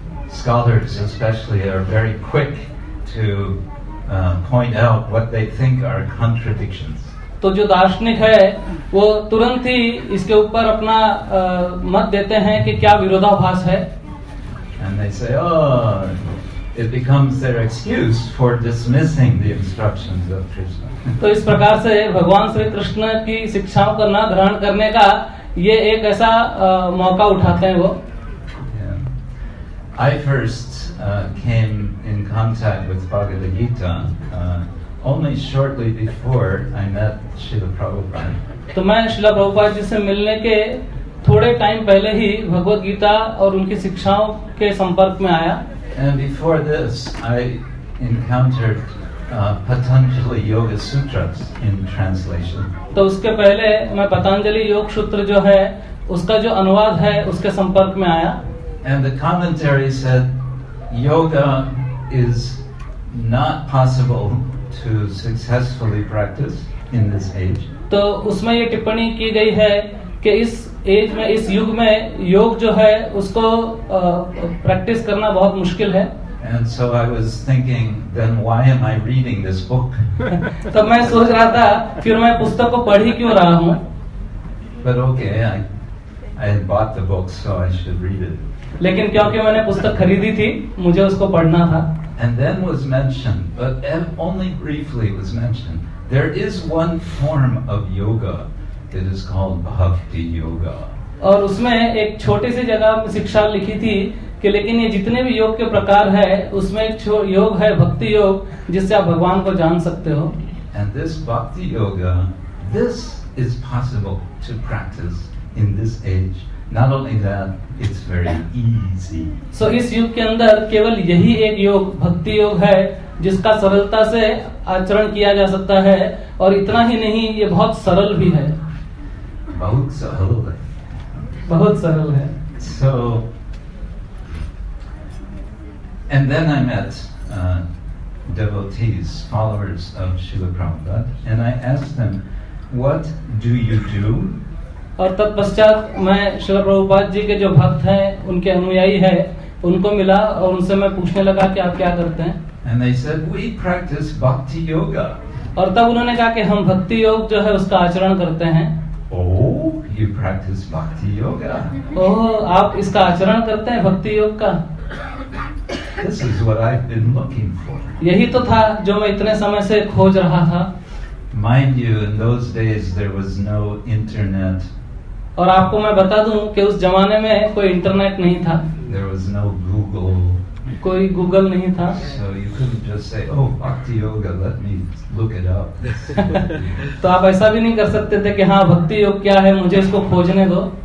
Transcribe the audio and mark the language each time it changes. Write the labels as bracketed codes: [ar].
[en] Scholars especially are very quick to point out what they think are contradictions. [hi] तो जो दार्शनिक है वो तुरंत ही इसके ऊपर अपना मत देते हैं कि क्या विरोधाभास है. [en] And they say, oh, it becomes their excuse for dismissing the instructions of Krishna. [hi] तो इस प्रकार से भगवान श्री कृष्ण की शिक्षाओं को ना ग्रहण करने का ये एक ऐसा मौका उठाते हैं वो. [en] I first came in contact with Bhagavad Gita only shortly before I met Srila Prabhupada. [hi] तो मैं श्रील प्रभुपाद जी से मिलने के थोड़े टाइम पहले ही भगवद गीता और उनकी शिक्षाओं के संपर्क में आया. [en] And before this, I encountered Patanjali Yoga Sutras in translation. [hi] तो उसके पहले मैं पतंजलि योग सूत्र जो है उसका जो अनुवाद है उसके संपर्क में आया. [en] And the commentary said, yoga is not possible to successfully practice in this age. [hi] तो उसमें ये टिप्पणी की गई है कि इस एज में, इस युग में योग जो है उसको प्रैक्टिस करना बहुत मुश्किल है. [en] And so I was thinking, then why am I reading this book? [hi] तो मैं सोच रहा था, फिर मैं पुस्तक को पढ़ ही क्यों रहा हूँ? [en] But okay, I had bought the book, so I should read it. [hi] लेकिन क्योंकि मैंने पुस्तक खरीदी थी मुझे उसको पढ़ना था. [en] And then was mentioned, but only briefly was mentioned, there is one form of yoga that is called bhakti yoga. [hi] और उसमें एक छोटी सी जगह शिक्षा लिखी थी कि लेकिन ये जितने भी योग के प्रकार है उसमें एक योग है भक्ति योग जिससे आप भगवान को जान सकते हो. [en] And this bhakti yoga, this is possible to practice in this age. Not only that, it's very easy. [hi] So इस युग के अंदर केवल यही एक योग भक्ति योग है जिसका सरलता से आचरण किया जा सकता है और इतना ही नहीं ये बहुत सरल भी है. बहुत सरल है. बहुत सरल है. [en] So and then I met devotees, followers of Srila Prabhupada, and I asked them, what do you do? [hi] और तत्पश्चात मैं श्रील प्रभुपाद जी के जो भक्त हैं उनके अनुयायी हैं उनको मिला और उनसे मैं पूछने लगा कि आप क्या करते हैं. [en] And they said, we practice bhakti yoga. [hi] और तब उन्होंने कहा कि हम भक्ति योग जो है उसका आचरण करते हैं. [en] Oh, you practice bhakti yoga. [hi] Oh, आप इसका आचरण करते हैं भक्ति योग का. [en] This is what I've been looking for. [hi] यही तो था जो मैं इतने समय से खोज रहा था. [en] Mind you, in those days there was no internet. [hi] और आपको मैं बता दूं कि उस जमाने में कोई इंटरनेट नहीं था. [en] There was no Google. [hi] कोई गूगल नहीं था. [en] So you couldn't just say, oh, bhakti yoga, let me look it up. [hi] तो आप ऐसा भी नहीं कर सकते थे कि हाँ भक्ति योग क्या है मुझे इसको खोजने दो.